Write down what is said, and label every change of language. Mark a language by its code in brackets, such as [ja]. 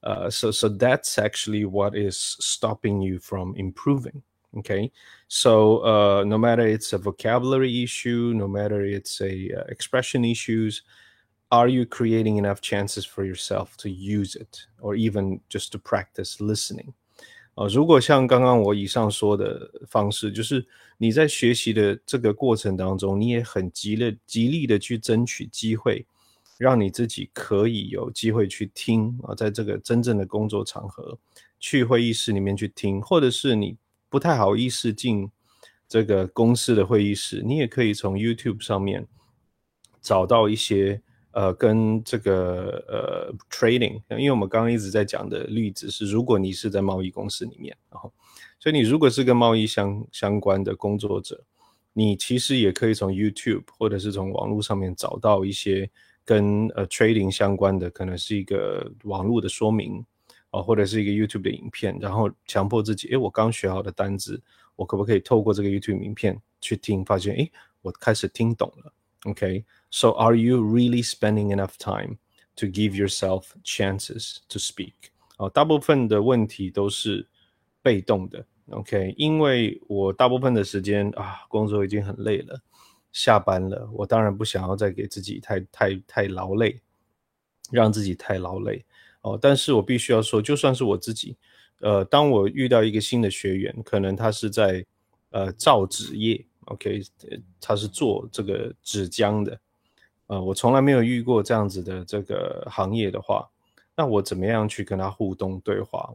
[en] So that's actually what is stopping you from improving, okay? So no matter it's a vocabulary issue, no matter it's expression issues, are you creating enough chances for yourself to use it or even just to practice listening? [zh] 如果像刚刚我以上说的方式，就是你在学习的这个过程当中，你也很极力的去争取机会，让你自己可以有机会去听，在这个真正的工作场合，去会议室里面去听，或者是你不太好意思进这个公司的会议室，你也可以从 YouTube 上面找到一些跟这个trading， 因为我们刚刚一直在讲的例子是，如果你是在贸易公司里面，哦，所以你如果是跟贸易相关的工作者，你其实也可以从 YouTube 或者是从网络上面找到一些跟trading 相关的，可能是一个网络的说明，或者是一个 YouTube 的影片，然后强迫自己，我刚学好的单字，我可不可以透过这个 YouTube 影片去听，发现我开始听懂了。 [en] Okay, so are you really spending enough time to give yourself chances to speak? [zh] 大部分的问题都是被动的。Okay, 因为我大部分的时间，工作已经很累了，下班了，我当然不想要再给自己太劳累，让自己太劳累哦。但是我必须要说，就算是我自己，当我遇到一个新的学员，可能他是在造纸业 ，OK， 他是做这个纸浆的，我从来没有遇过这样子的这个行业的话，那我怎么样去跟他互动对话？